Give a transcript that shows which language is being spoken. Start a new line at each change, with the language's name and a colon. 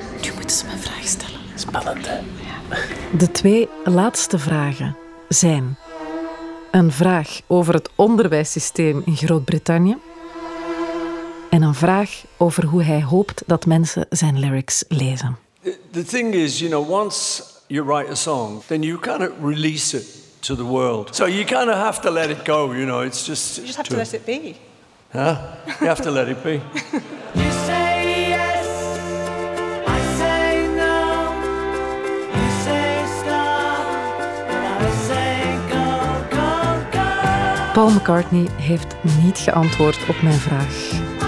Dutch: Nu moeten ze me vragen stellen. Spannend, hè? De twee laatste vragen zijn... een vraag over het onderwijssysteem in Groot-Brittannië... en een vraag over hoe hij hoopt dat mensen zijn lyrics lezen.
English: The thing is, you know, once you write a song, then you kind of release it to the world. So you kind of have to let it go, you know, it's just... You just have to let it be. Huh? You have to let it be. You say yes, I say no. You say stop, I say go, go, go.
Dutch: Paul McCartney heeft niet geantwoord op mijn vraag.